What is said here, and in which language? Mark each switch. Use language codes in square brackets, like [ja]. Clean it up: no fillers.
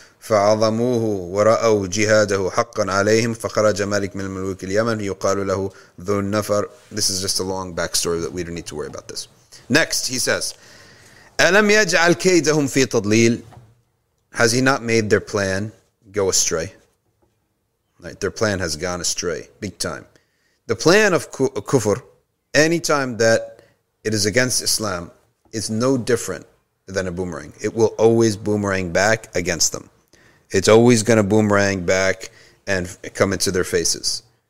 [ar] فعظموه ورأوا جهاده حقا عليهم فخرج مالك من الملوك اليمن يقال له ذو النفر. [en] This is just a long backstory that we don't need to worry about this. Next, he says, [ar] ألم يجعل كيدهم في تضليل. [en] Has he not made their plan go astray? Right, their plan has gone astray, big time. The plan of kufr, anytime that it is against Islam, is no different than a boomerang. It will always boomerang back against them. It's always going to boomerang back and come into their faces.